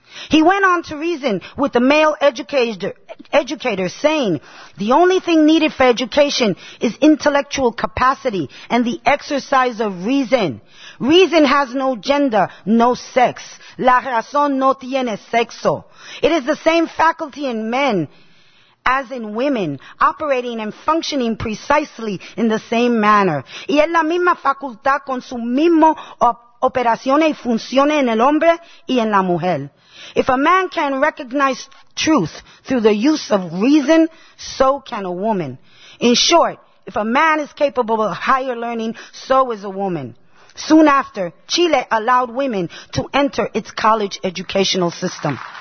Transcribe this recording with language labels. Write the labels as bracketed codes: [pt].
[en] He went on to reason with the male educator, saying, the only thing needed for education is intellectual capacity and the exercise of reason. Reason has no gender, no sex. [es] La razón no tiene sexo. [en] It is the same faculty in men as in women, operating and functioning precisely in the same manner. [es] Y es la misma facultad con su mismo operaciones y funciones en el hombre y en la mujer. [en] If a man can recognize truth through the use of reason, so can a woman. In short, if a man is capable of higher learning, so is a woman. Soon after, Chile allowed women to enter its college educational system.